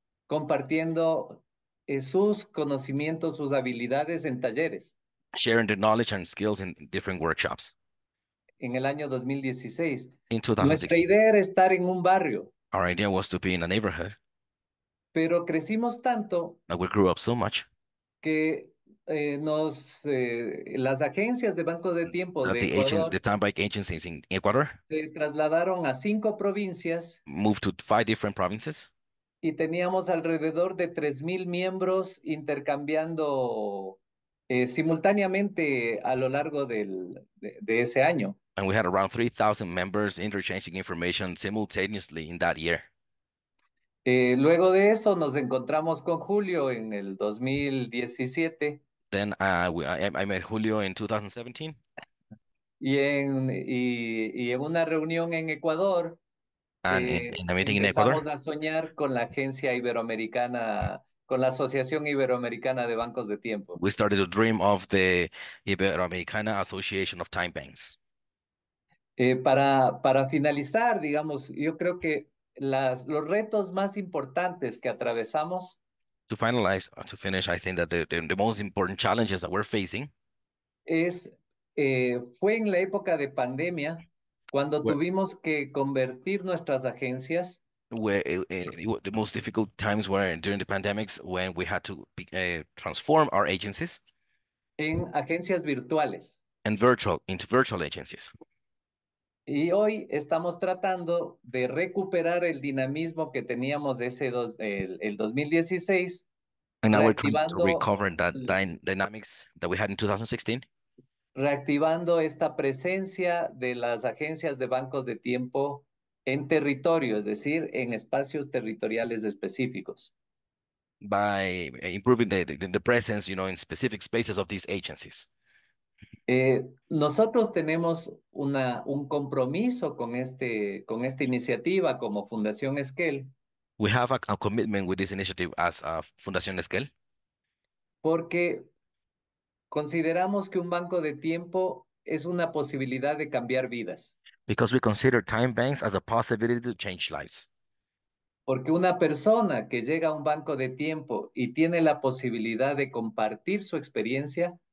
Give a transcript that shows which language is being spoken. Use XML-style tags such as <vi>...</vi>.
<es>compartiendo sus conocimientos, sus habilidades en talleres,</es> <en>sharing the knowledge and skills in different workshops.</en> <es>En el año 2016.</es> <en>In 2016.</en> <es>Nuestra idea era estar en un barrio.</es> <en>Our idea was to be in a neighborhood.</en> <es>Pero crecimos tanto.</es> <en>And we grew up so much.</en> <es>Que las agencias de Banco de Tiempo de</es> <en>the Ecuador. The time bank agencies in Ecuador.</en> <es>Se trasladaron a 5 provincias.</es> <en>Moved to 5 different provinces.</en> <es>Y teníamos alrededor de 3,000 miembros intercambiando simultáneamente a lo largo de ese año.</es> <en>And we had around 3,000 members interchanging information simultaneously in that year.</en> <es>Luego de eso nos encontramos con Julio en el 2017.</es> <en>Then I met Julio in 2017.</en> <es>Y en una reunión en Ecuador.</es> <en>And in a meeting in Ecuador.</en> <es>Empezamos a soñar con la agencia iberoamericana, con la Asociación Iberoamericana de Bancos de Tiempo.</es> <en>We started to dream of the Iberoamericana Association of Time Banks.</en> <es>Para finalizar, digamos, yo creo que los retos más importantes que atravesamos.</es> <en>To finalize, or to finish, I think that the most important challenges that we're facing.</en> <es>Fue en la época de pandemia, cuando tuvimos que convertir nuestras agencias.</es> <en>The most difficult times were during the pandemics when we had to transform our agencies</en> <es>en agencias virtuales</es> <en>and virtual into virtual agencies.</en> <es>Y hoy estamos tratando de recuperar el dinamismo que teníamos ese el 2016.</es> <en>And now we're trying to recover that dynamics that we had in 2016.</en> <es>Reactivando esta presencia de las agencias de bancos de tiempo en territorio, es decir, en espacios territoriales específicos.</es> <en>By improving the presence, you know, in specific spaces of these agencies.</en> <es>Nosotros tenemos un compromiso con esta iniciativa como Fundación Esquel.</es> <en>We have a commitment with this initiative as a Fundación Esquel.</en> <es>Porque consideramos que un banco de tiempo es una posibilidad de cambiar vidas.</es> <en>Because we consider time banks as a possibility to change lives.</en> <es>Porque una persona que llega a un banco de tiempo y tiene la posibilidad de compartir su experiencia.</es>